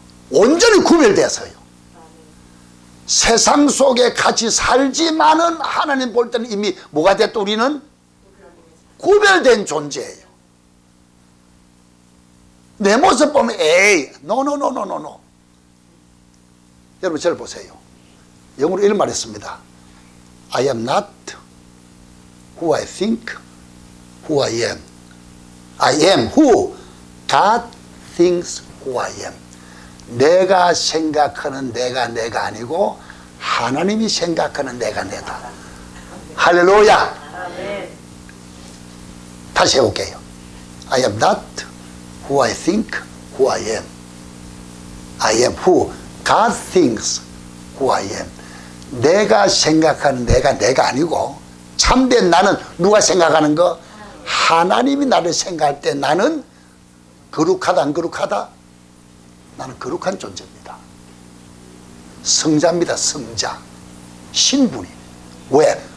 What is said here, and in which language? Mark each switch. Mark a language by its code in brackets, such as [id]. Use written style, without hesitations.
[ko] 온전히 구별돼서요. 세상 속에 같이 살지만은 하나님 볼 때는 이미 뭐가 됐다 우리는? 구별된 존재예요. 내 모습 보면 에이 노노노노노노 여러분 저를 보세요. 영어로 이런 말 했습니다. [en] I am not who I think, who I am. I am who God thinks who I am. [ko] 내가 생각하는 내가 아니고 하나님이 생각하는 내가 내다. 할렐루야. 다시 해볼게요. [en] I am not who I think, who I am. I am who God thinks who I am. [ko] 내가 생각하는 내가 아니고 참된 나는 누가 생각하는 거? 하나님이 나를 생각할 때 나는 거룩하다 안 거룩하다? 나는 거룩한 존재입니다. 성자입니다. 성자. 신분이. 왜?